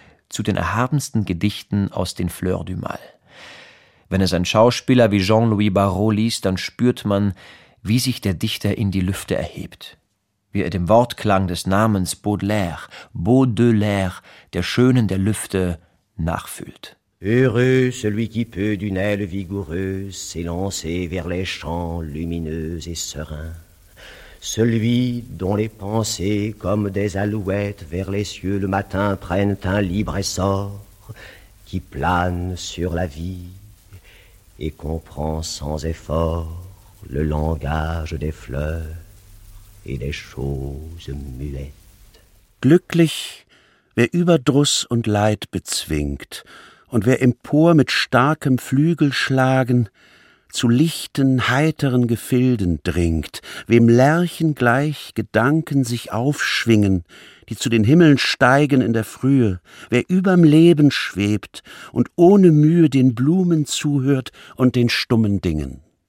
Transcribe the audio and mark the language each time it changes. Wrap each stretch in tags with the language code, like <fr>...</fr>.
<de>zu den erhabensten Gedichten aus den Fleurs du Mal. Wenn es ein Schauspieler wie Jean-Louis Barrault liest, dann spürt man, wie sich der Dichter in die Lüfte erhebt. Wie er dem Wortklang des Namens Baudelaire, Baudelaire, der Schönen der Lüfte, nachfühlt.</de> <fr>Heureux celui qui peut d'une aile vigoureuse s'élancer vers les champs lumineux et sereins. Celui dont les pensées, comme des alouettes vers les cieux le matin, prennent un libre essor qui plane sur la vie et comprend sans effort le langage des fleurs et des choses muettes.</fr> <de>Glücklich, wer Überdruss und Leid bezwingt und wer empor mit starkem Flügelschlagen zu lichten, heiteren Gefilden dringt, wem Lerchen gleich Gedanken sich aufschwingen, die zu den Himmeln steigen in der Frühe, wer überm Leben schwebt und ohne Mühe den Blumen zuhört und den stummen Dingen.</de>